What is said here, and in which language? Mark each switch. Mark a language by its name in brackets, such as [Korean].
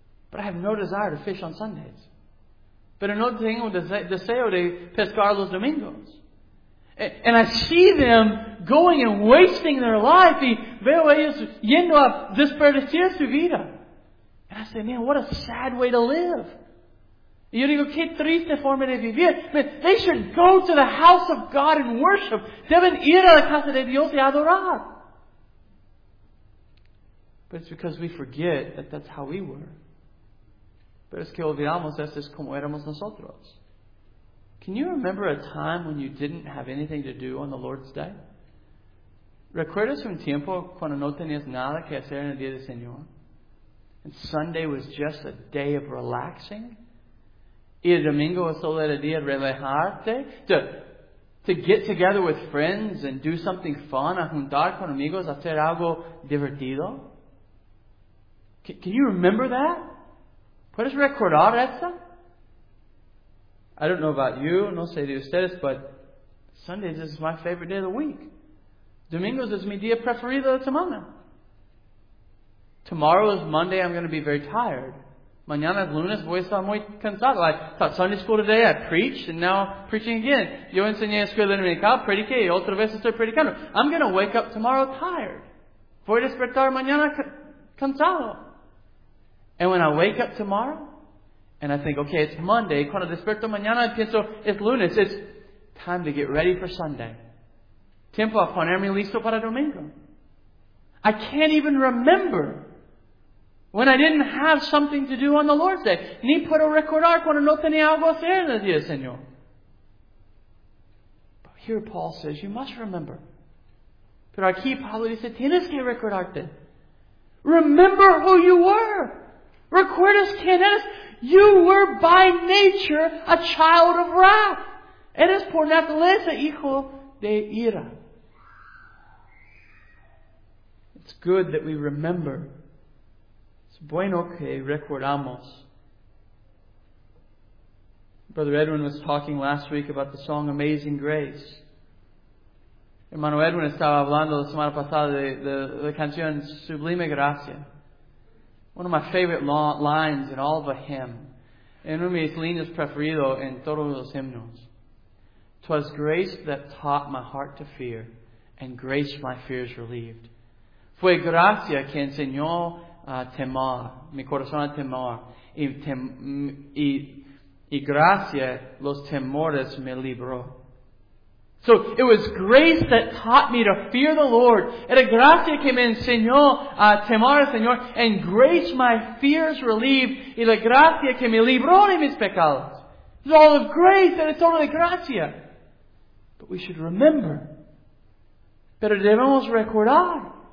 [English] But I have no desire to fish on Sundays. [Spanish] Pero no tengo deseo de pescar los domingos. [English] And I see them going and wasting their life. [Spanish] Y veo ellos yendo a desperdiciar su vida. [English] And I say, man, what a sad way to live. [Spanish] Y yo digo, qué triste forma de vivir. [English] Man, they should go to the house of God and worship. [Spanish] Deben ir a la casa de Dios y adorar. [English] But it's because we forget that that's how we were. [Spanish] Pero es que olvidamos, eso es como éramos nosotros. [English] Can you remember a time when you didn't have anything to do on the Lord's Day? [Spanish] ¿Recuerdas un tiempo cuando no tenías nada que hacer en el Día del Señor? [English] And Sunday was just a day of relaxing. [Spanish] Y el domingo es solo el día de relajarte. [English] To get together with friends and do something fun. [Spanish] A juntar con amigos, hacer algo divertido. [English] Can you remember that? [Spanish] ¿Puedes recordar eso? [English] I don't know about you, [Spanish] no sé de ustedes, [English] but Sundays is my favorite day of the week. [Spanish] Domingos es mi día preferido de semana. [English] Tomorrow is Monday, I'm going to be very tired. [Spanish] Mañana es lunes, voy a estar muy cansado. [English] I taught Sunday school today, I preached, and now I'm preaching again. [Spanish] Yo enseñé a escuela dominical, prediqué, y otra vez estoy predicando. [English] I'm going to wake up tomorrow tired. [Spanish] Voy a despertar mañana cansado. [English] And when I wake up tomorrow, and I think, okay, it's Monday. [Spanish] Cuando despierto mañana, pienso, [English] it's lunes. It's time to get ready for Sunday. [Spanish] Tiempo a ponerme listo para domingo. [English] I can't even remember when I didn't have something to do on the Lord's Day. [Spanish] Ni puedo recordar cuando no tenía algo hacer en el día, Señor. [English] But here Paul says, you must remember. [Spanish] Pero aquí Pablo dice, tienes que recordarte. [English] Remember who you were. [Spanish] Recuerdas quién eres? [English] You were by nature a child of wrath. [Spanish] Eres por naturaleza hijo de ira. [English] It's good that we remember. [Spanish] Es bueno que recordamos. [English] Brother Edwin was talking last week about the song Amazing Grace. [Spanish] Hermano Edwin estaba hablando la semana pasada de la canción Sublime Gracia. [English] One of my favorite lines in all of a hymn. [Spanish] En uno de mis líneas preferidos en todos los himnos. [English] 'Twas grace that taught my heart to fear, and grace my fears relieved. [Spanish] Fue gracia que enseñó a temor, mi corazón a temor, y gracia los temores me libró. [English] So it was grace that taught me to fear the Lord. [Spanish] Era gracia que me enseñó a temor al Señor, [English] and grace my fears relieved, [Spanish] y la gracia que me libró de mis pecados. [English] It's all of grace, and it's all of the gracia. But we should remember. [Spanish] Pero debemos recordar.